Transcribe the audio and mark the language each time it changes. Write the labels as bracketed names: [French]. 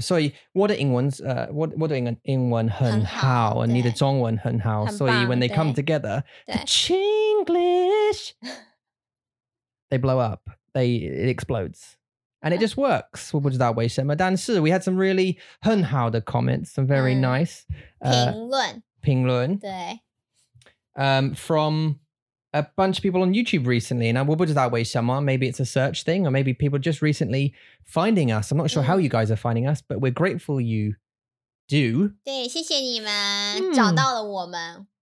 [Chinese] 所以我的英文我的英文很好，很好你的中文很好，很 [English] 所以 when they come together, Chinglish, they blow up, it explodes. And it just works. [Chinese] 我不知道为什么，但是 [English] we had some really [Chinese] 很好的 [English] comments, some very nice [Chinese] 评论对 [English] from a bunch of people on YouTube recently. And [Chinese] 我不知道为什么 [English] maybe it's a search thing, or maybe people just recently finding us. I'm not sure how you guys are finding us, but we're grateful you do. [Chinese] 对，谢谢你们找到了我们。